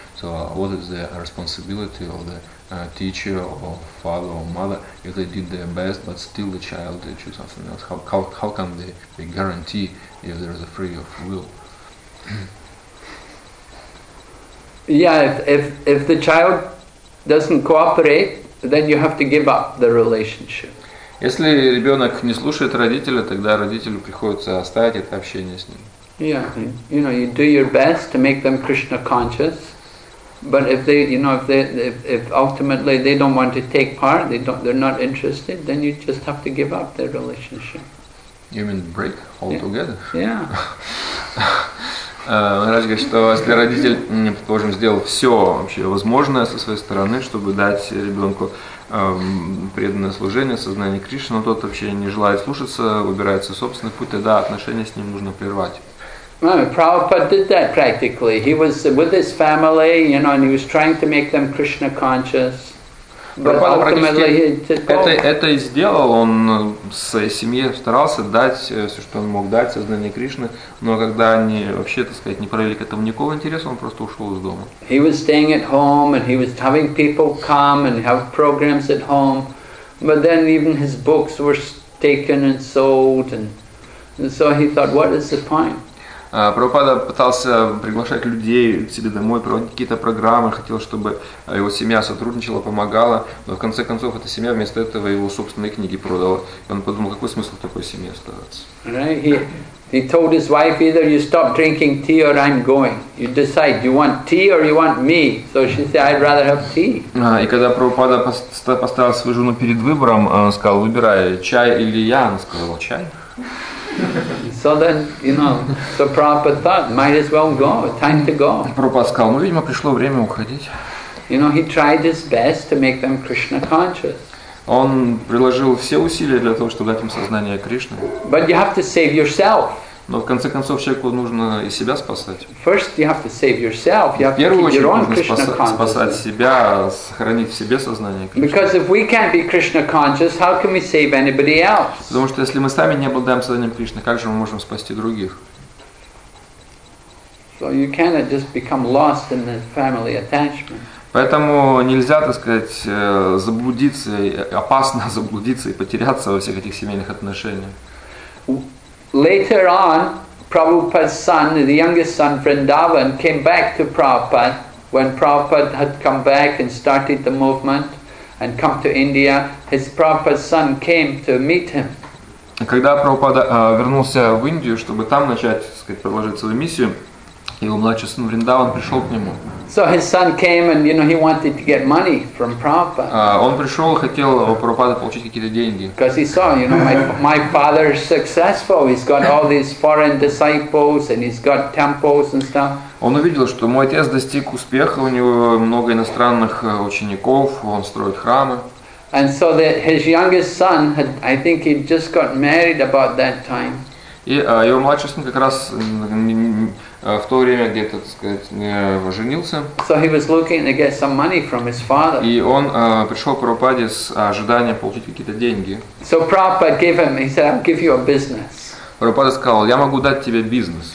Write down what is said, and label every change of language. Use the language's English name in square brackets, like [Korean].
[English] So what is the responsibility of the teacher or father or mother if they did their best but still the child choose something else? How can they be guaranteed if there is a free of will? Yeah, if the child doesn't cooperate, then you have to give up the relationship. [Russian] Если ребенок не слушает родителя, тогда родителю приходится оставить это общение с ним. [English] Yeah, you know, you do your best to make them Krishna conscious. But if they, you know, if ultimately they don't want to take part, they're not interested, then you just have to give up their relationship. You mean break altogether? Yeah. [Russian] Раз говорит, что если родитель, предположим, сделал все вообще возможное со своей стороны, чтобы дать ребенку преданное служение, сознание Кришны, но тот вообще не желает слушаться, выбирает свой собственный путь, тогда отношения с ним нужно прервать. [English] Well, Prabhupada did that practically. He was with his family, you know, and he was trying to make them Krishna conscious. But ultimately, he took [Russian] off. Это и сделал. Он своей семье старался дать все, что он мог дать, сознание Кришны. Но когда они вообще, так сказать, не проявили к этому никакого интереса, он просто ушел из дома. [English] He was staying at home, and he was having people come and have programs at home. But then even his books were taken and sold, and so he thought, what is the point? [Russian] Прабхупада пытался приглашать людей к себе домой, проводить какие-то программы, хотел, чтобы его семья сотрудничала, помогала, но в конце концов эта семья вместо этого его собственные книги продала. И он подумал, какой смысл в такой семье оставаться. [English] Right. He told his wife, either you stop drinking tea or I'm going. You decide, you want tea or you want me? So she said, I'd rather have tea. [Russian] И когда Прабхупада поставил свою жену перед выбором, он сказал, выбирай, чай или я, она сказала, чай. [English] So then, you know, so Prabhupada thought, might as well go, time to go. [Russian] Прабхупада сказал, ну, видимо, пришло время уходить. [English] You know, he tried his best to make them Krishna conscious. [Russian] Он приложил все усилия для того, чтобы дать им сознание Кришны. [English] But you have to save yourself. [Russian] Но в конце концов человеку нужно и себя спасать. [English] First you have to save yourself. You have [Russian] в первую очередь [English] your own [Russian] нужно [English] Krishna [Russian] спасать себя, сохранить в себе сознание Кришны. [English] Because if we can't be Krishna conscious, how can we save anybody else? [Russian] Потому что если мы сами не обладаем сознанием Кришны, как же мы можем спасти других? [English] So you cannot just become lost in the family attachment. [Russian] Поэтому нельзя, так сказать, заблудиться, опасно заблудиться и потеряться во всех этих семейных отношениях. [English] Later on, Prabhupada's son, the youngest son, Vrindavan, came back to Prabhupada when Prabhupada had come back and started the movement. and come to India, his Prabhupada's son came to meet him. [Russian] Когда Прабхупада вернулся в Индию, чтобы там начать, так сказать, продолжить свою миссию, его младший сын Вриндаван пришел к нему. [English] So his son came and, you know, he wanted to get money from Prabhupada. [Russian] Он пришел, хотел у Прабхупады получить какие-то деньги. [English] Because he saw, you know, my father is successful. He's got all these foreign disciples and he's got temples and stuff. [Russian] Он увидел, что мой отец достиг успеха, у него много иностранных учеников, он строит храмы. [English] And so that his youngest son, had, I think he just got married about that time. [Russian] И его младший сын как раз в то время где-то, так сказать, женился. [English] So he was looking to get some money from his father. [Russian] И он пришел к Прабхупаде с ожиданием получить какие-то деньги. [English] So Prabhupada gave him, he said, I'll give you a business. [Russian] Прабхупада сказал, я могу дать тебе бизнес.